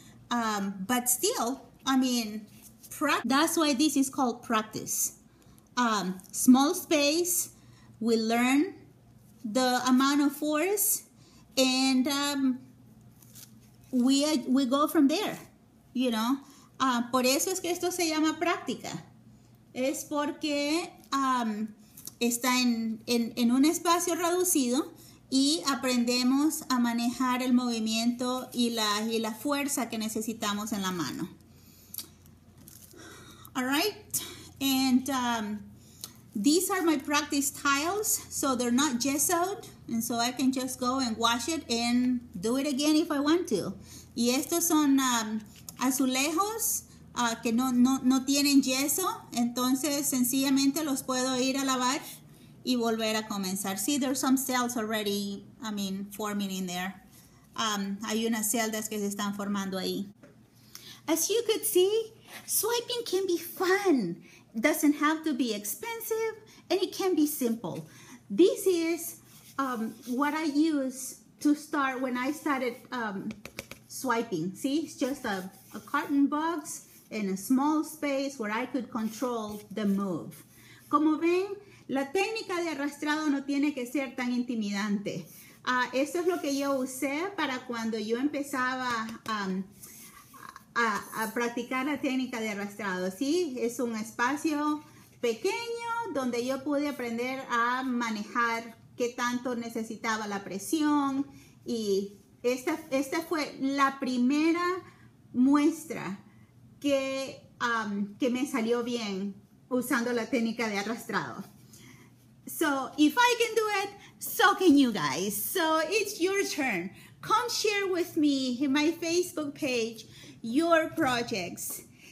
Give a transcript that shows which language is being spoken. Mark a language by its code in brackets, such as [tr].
[en] But still, I mean, that's why this is called practice. Small space, we learn the amount of force, and we go from there, you know. [es] Por eso es que esto se llama práctica. Es porque está en un espacio reducido y aprendemos a manejar el movimiento y la fuerza que necesitamos en la mano. [en] All right, and these are my practice tiles, so they're not gessoed, and so I can just go and wash it and do it again if I want to. [es] Y estos son azulejos que no tienen yeso, entonces sencillamente los puedo ir a lavar y volver a comenzar. [en] See, there's some cells already, forming in there. [es] Hay unas celdas que se están formando ahí. [en] As you could see, swiping can be fun. Doesn't have to be expensive, and it can be simple. This is what I use to start when I started swiping. See, it's just a carton box in a small space where I could control the move. [es] Como ven, la técnica de arrastrado no tiene que ser tan intimidante. Esto es lo que yo usé para cuando yo empezaba a practicar la técnica de arrastrado. Sí, es un espacio pequeño donde yo pude aprender a manejar qué tanto necesitaba la presión. Y esta fue la primera muestra que me salió bien usando la técnica de arrastrado. [en] So, if I can do it, so can you guys. So, it's your turn. Come share with me in my Facebook page your projects.